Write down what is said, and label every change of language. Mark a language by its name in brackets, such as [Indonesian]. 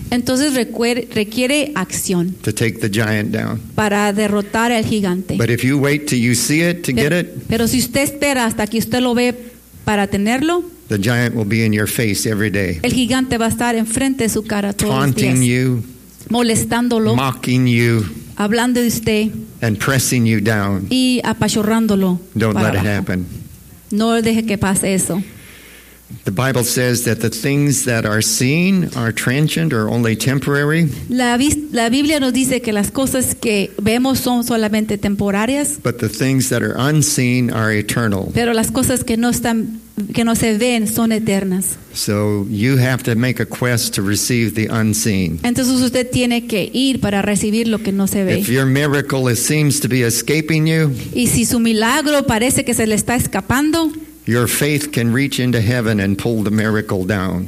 [Spanish] Entonces requiere acción. [English] To take the giant down. [Spanish] Para derrotar al gigante. [English] But if you wait till you see it to get it. [Spanish] Pero si usted espera hasta que usted lo ve para tenerlo. [English] The giant will be in your face every day. [Spanish] El gigante va a estar enfrente de su cara todos los días. [English] Taunting you. [Spanish] Molestándolo. [English] Mocking you. [Spanish] Hablando de usted. [English] And pressing you down. [Spanish] Y apachurrándolo. [English] Don't let it happen. [Spanish] No deje que pase eso. [English] The Bible says that the things that are seen are transient or only temporary. [Spanish] La Biblia nos dice que las cosas que vemos son solamente temporarias. [English] But the things that are unseen are eternal. [Spanish] Pero las cosas que no se ven son eternas. [English] So you have to make a quest to receive the unseen. [Spanish] Entonces usted tiene que ir para recibir lo que no se ve. [English] If your miracle seems to be escaping you, [Spanish] y si su milagro parece que se le está escapando, [English] your faith can reach into heaven and pull the miracle down.